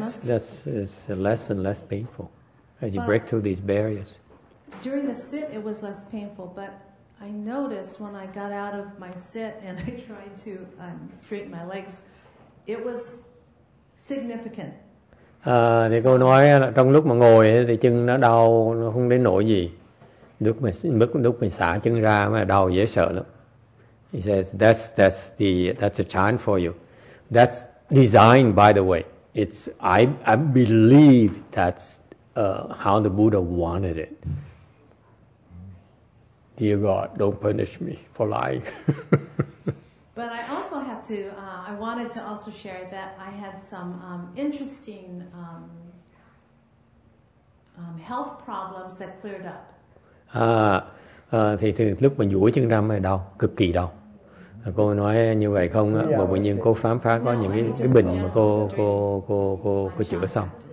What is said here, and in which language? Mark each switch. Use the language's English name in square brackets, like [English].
[English] so it's less and less painful as you break through these barriers. During the sit it was less painful, but I noticed when I got out of my sit and I tried to straighten my legs, it was significant. [Vietnamese] Thì cô nói là trong lúc mà ngồi thì chân nó đau, nó không đến nỗi gì. Lúc mình xả chân ra mới là đau dễ sợ lắm. [English] He says that's a chance for you. That's designed, by the way. I believe that's how the Buddha wanted it. Dear God, don't punish me for lying. But I also have to, I wanted to also share that I had some interesting health problems that cleared up. [Vietnamese] Thì thường lúc mà duỗi chân ra mới đau, cực kỳ đau. Cô nói như vậy không, bởi vì nhiên cô phán phá có những cái bệnh mà cô chữa xong.